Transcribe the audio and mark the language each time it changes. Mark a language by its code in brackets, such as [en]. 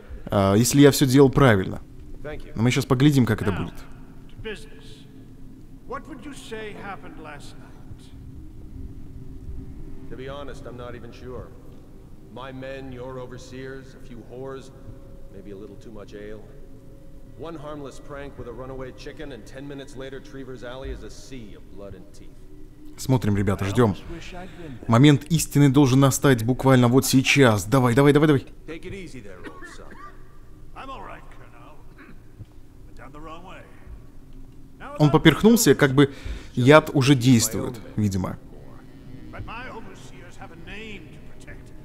[ru] Если я все делал правильно. Но мы сейчас поглядим, как это будет. [en] Maybe a little too much ale. One harmless prank with a runaway chicken, and 10 minutes later Trevor's Alley is a sea of blood and teeth. [ru] Смотрим, ребята, ждем. Момент истины должен настать буквально вот сейчас. Давай, давай, давай, давай. [en] Take it easy there, old son. I'm all right, Colonel. But down the wrong way. [ru] Он поперхнулся, как бы яд уже действует, видимо. [en] But my overseers have a name to protect.